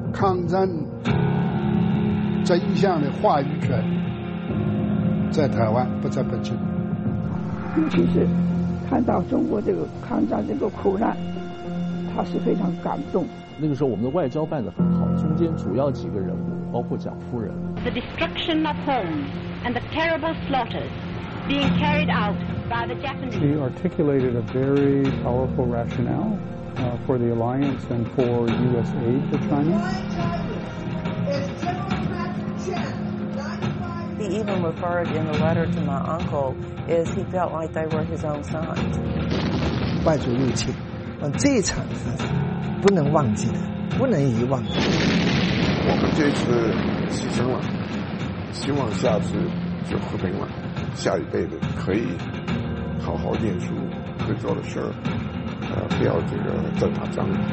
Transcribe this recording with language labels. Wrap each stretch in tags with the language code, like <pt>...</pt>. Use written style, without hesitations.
<zh>抗战真相的话语权在台湾不在北京，尤其是看到中国这个抗战这个苦难，他是非常感动。那个时候我们的外交办得很好，中间主要几个人物包括蒋夫人。</zh> <en>The destruction of homes and the terrible slaughters being carried out。 She articulated a very powerful rationale for the alliance and for U.S. aid to China. He even referred in the letter to my uncle as he felt like they were his own sons.</en> <zh>败族入侵，嗯，这一场是不能忘记的，不能遗忘的。我们这次牺牲了，希望下次就和平了，下一辈子可以。好好念书，会做的事儿，不要这个再打仗。</zh>